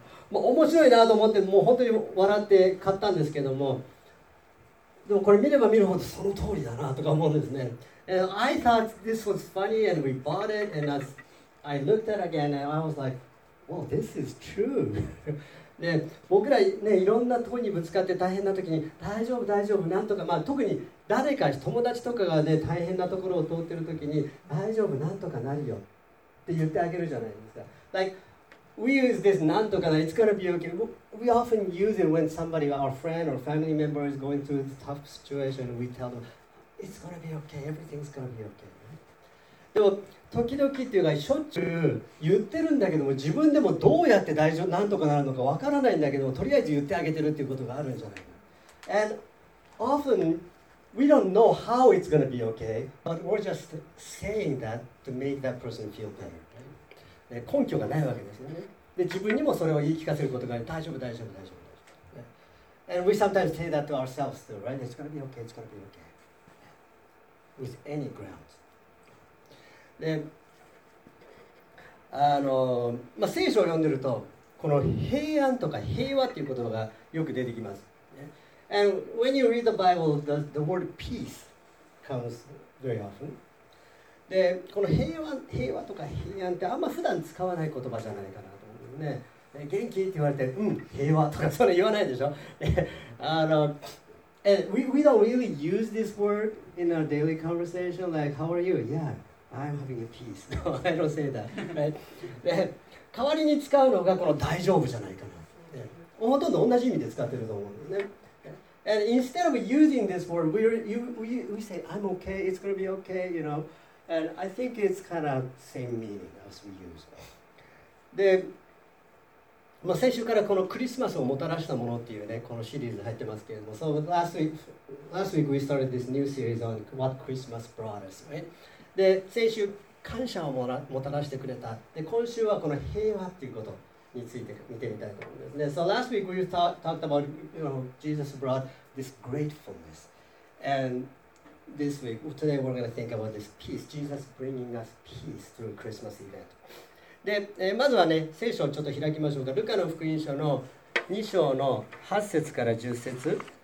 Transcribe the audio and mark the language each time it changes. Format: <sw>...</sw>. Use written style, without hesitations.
<ja>もう面白いなと思って、もう本当に笑って買ったんですけども、でもこれ見れば見るほどその通りだなとか思うんですね。</ja> <en>And I thought this was funny, and we bought it, and as I looked at it again, and I was like,Well, this is true.</en> <ja>僕ら、ね、いろんな問いにぶつかって大変な時に大丈夫大丈夫なんとか、まあ、特に誰か友達とかが、ね、大変なところを通っている時に大丈夫なんとかなるよって言ってあげるじゃないですか。</ja> <en>Like, we use this</en> <ja>なんとかな</ja> <en>It's gonna be okay. We often use it when somebody, our friend or family member is going through a tough situation. We tell them, it's gonna be okay. Everything's gonna be okay.</en> <ja>でも時々っていうかしょっちゅう言ってるんだけども、自分でもどうやって大丈夫なんとかなるのかわからないんだけども、とりあえず言ってあげてるっていうことがあるんじゃないか。</ja> <en>And often we don't know how it's going to be okay, but we're just saying that to make that person feel better, right?</en> <ja>根拠がないわけですよね。で、自分にもそれを言い聞かせることがある。大丈夫大丈夫大丈夫大丈夫、right?</ja> <en>And we sometimes say that to ourselves too, right? It's going to be okay, it's going to be okay. With any grounds.</en> <ja>で、まあ、聖書を読んでると、この平安とか平和っていう言葉がよく出てきます。</ja> <en>Yeah. And when you read the Bible, the word peace comes very often.</en> <ja>で、この平和とか平安ってあんま普段使わない言葉じゃないかなと思うね。で、元気って言われて、うん、平和とかそれ言わないでしょ。</ja> <en>we don't really use this word in our daily conversation. Like, how are you? Yeah. I'm having a peace. No, I don't say that. Right?</en> <ja>で、代わりに使うのがこの大丈夫じゃないかな。ほとんど同じ意味で使ってると思うんですね。</ja> <en>And instead of using this word, we say, I'm okay, it's going to be okay, you know. And I think it's kind of same meaning as we use.</en> <ja>で、まあ、先週からこのクリスマスをもたらしたものっていうね、このシリーズ入ってますけれども、</ja> <en>So last week we started this new series on what Christmas brought us, right?</en> <ja>で、先週感謝をもたらしてくれた。で、今週はこの平和っていうことについて見てみたいと思います。</ja> <en>で、So last week we talked about, you know, Jesus brought this gratefulness. And this week, today we're going to think about this peace. Jesus bringing us peace through Christmas event.</en> <ja>で、まずはね、聖書をちょっと開きましょうか。ルカの福音書の2章の8節から10節。</ja>